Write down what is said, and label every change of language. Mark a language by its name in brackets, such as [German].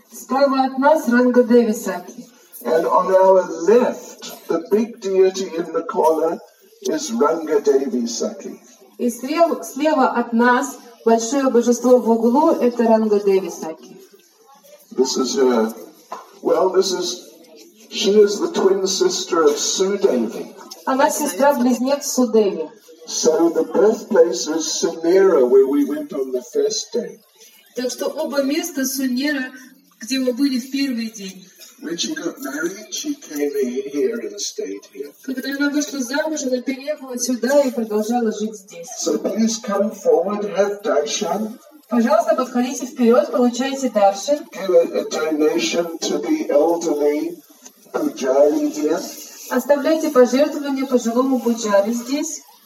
[Russian] Справа от нас Ранга Деви Сакхи. [English] And on our left, the big deity in the corner is Ranga Devi Sakhi. [Russian] И слева от нас большое божество в углу это Ранга Деви Сакхи. [English] This is her. Well, she is the twin sister of Sudevi. [Russian] Она сестра-близнец Судеви. [English] So the birthplace is Sunera, where we went on the first day. [Russian] Так что оба места Сунера, где мы были в первый день. [English] When she got married, she came here and stayed here. [Russian] Когда она вышла замуж, она переехала сюда и продолжала жить здесь. [English] So please come forward, have darshan. [Russian] Пожалуйста, подходите вперед, получайте даршан. [English] Give a donation to the elderly pujari here. [Russian] Оставляйте пожертвование пожилому пуджари здесь.